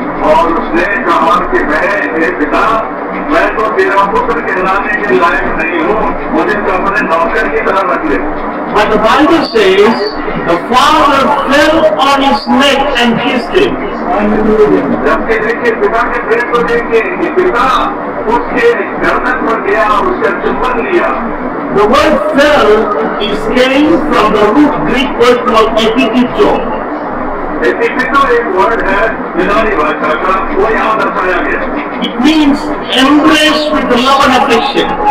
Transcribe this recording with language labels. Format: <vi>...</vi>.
<hi>और उसने कहा कि मैं पिता मैं तो बिना पुत्र कहलाने के लायक नहीं हूँ, मुझे तो अपने नौकर की तरह रख ले.</hi> <en>But the Bible says the father fell on his neck and kissed him.</en> <hi>जबकि देखिए पिता के प्रेम को देखिए कि पिता उसके गर्दन पर गया और उसे चुंबन लिया.</hi> <en>The word fell is came from the root Greek word called epikitō. It means embrace with the love and affection.</en>